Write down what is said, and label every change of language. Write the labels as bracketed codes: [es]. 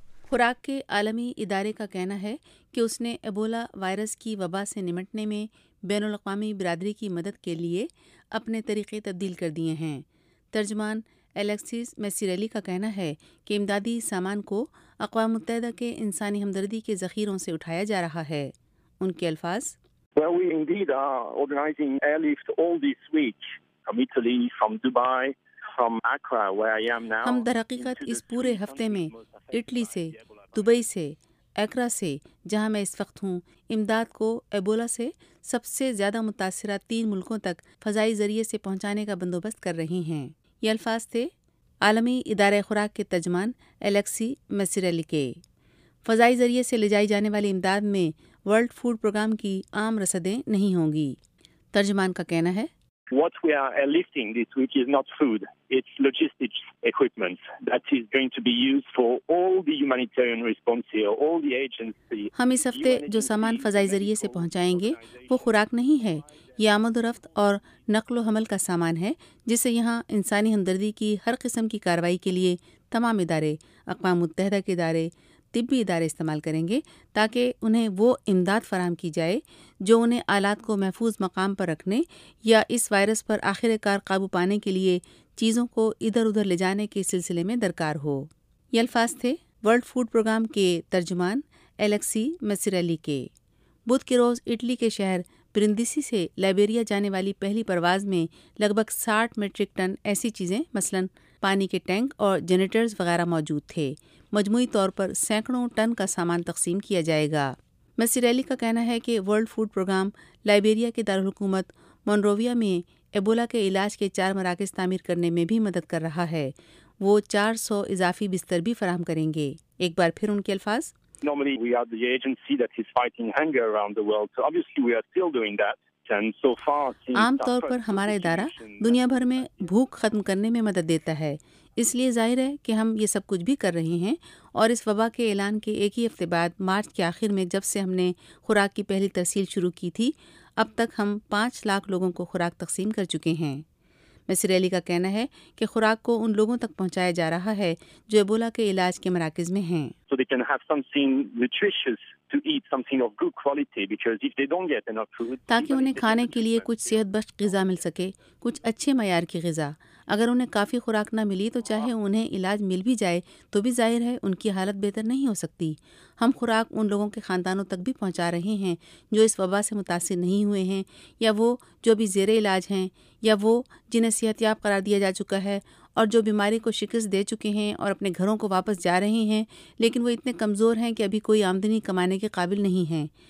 [ur] خوراک کے عالمی ادارے کا کہنا ہے کہ اس نے ایبولا وائرس کی وبا سے نمٹنے میں بین الاقوامی برادری کی مدد کے لیے اپنے طریقے تبدیل کر دیے ہیں. ترجمان الیکسیس میسیریلی کا کہنا ہے کہ امدادی سامان کو اقوام متحدہ کے انسانی ہمدردی کے ذخیروں سے اٹھایا جا رہا ہے. ان کے الفاظ, [en] Well, we indeed are organizing airlift all this week from Italy, from Dubai, from Accra, where I am now. [ur] ہم درحقیقت اس پورے ہفتے میں اٹلی سے, دبئی سے, ایکرا سے, جہاں میں اس وقت ہوں, امداد کو ایبولا سے سب سے زیادہ متاثرہ تین ملکوں تک فضائی ذریعے سے پہنچانے کا بندوبست کر رہے ہیں. یہ الفاظ تھے عالمی ادارہ خوراک کے ترجمان الیکسی میسیریلی کے. فضائی ذریعے سے لے جائی جانے والی امداد میں ورلڈ فوڈ پروگرام کی عام رسدیں نہیں ہوں گی. ترجمان کا کہنا ہے, [en] What we are airlifting this week is not food, it's logistics equipment that is going to be used for all the humanitarian response here, all the agency. [ur] ہم اس ہفتے جو سامان فضائی ذریعے سے پہنچائیں گے وہ خوراک نہیں ہے, یہ آمد و رفت اور نقل و حمل کا سامان ہے جسے یہاں انسانی ہمدردی کی ہر قسم کی کارروائی کے لیے تمام ادارے, اقوام متحدہ کے ادارے, طبی ادارے استعمال کریں گے تاکہ انہیں وہ امداد فراہم کی جائے جو انہیں آلات کو محفوظ مقام پر رکھنے یا اس وائرس پر آخر کار قابو پانے کے لیے چیزوں کو ادھر ادھر لے جانے کے سلسلے میں درکار ہو. یہ الفاظ تھے ورلڈ فوڈ پروگرام کے ترجمان الیکسی میسیریلی کے. بدھ کے روز اٹلی کے شہر برندیسی سے لائبیریا جانے والی پہلی پرواز میں لگ بھگ 60 میٹرک ٹن ایسی چیزیں, مثلاً پانی کے ٹینک اور جنریٹرز وغیرہ موجود تھے. مجموعی طور پر سینکڑوں ٹن کا سامان تقسیم کیا جائے گا. میسیریلی کا کہنا ہے کہ ورلڈ فوڈ پروگرام لائبیریا کے دارالحکومت مونروویا میں ایبولا کے علاج کے 4 مراکز تعمیر کرنے میں بھی مدد کر رہا ہے. وہ 400 اضافی بستر بھی فراہم کریں گے. ایک بار پھر ان کے الفاظ, [en] Normally we are the agency that is fighting hunger around the world, so obviously we are still doing that. [ur] عام طور پر ہمارا ادارہ دنیا بھر میں بھوک ختم کرنے میں مدد دیتا ہے, اس لیے ظاہر ہے کہ ہم یہ سب کچھ بھی کر رہے ہیں. اور اس وبا کے اعلان کے ایک ہی ہفتے بعد مارچ کے آخر میں جب سے ہم نے خوراک کی پہلی ترسیل شروع کی تھی, اب تک ہم 500,000 لوگوں کو خوراک تقسیم کر چکے ہیں. میسیریلی کا کہنا ہے کہ خوراک کو ان لوگوں تک پہنچایا جا رہا ہے جو ایبولا کے علاج کے مراکز میں ہیں. [en] So they can have something nutritious to eat, something of good quality, because if they don't get enough food, [ur] تاکہ انہیں کھانے کے لیے کچھ صحت بخش غذا مل سکے, کچھ اچھے معیار کی غذا. اگر انہیں کافی خوراک نہ ملی تو چاہے انہیں علاج مل بھی جائے تو بھی ظاہر ہے ان کی حالت بہتر نہیں ہو سکتی. ہم خوراک ان لوگوں کے خاندانوں تک بھی پہنچا رہے ہیں جو اس وبا سے متاثر نہیں ہوئے ہیں, یا وہ جو ابھی زیر علاج ہیں, یا وہ جنہیں صحت یاب قرار دیا جا چکا ہے اور جو بیماری کو شکست دے چکے ہیں اور اپنے گھروں کو واپس جا رہے ہیں, لیکن وہ اتنے کمزور ہیں کہ ابھی کوئی آمدنی کمانے کے قابل نہیں ہیں.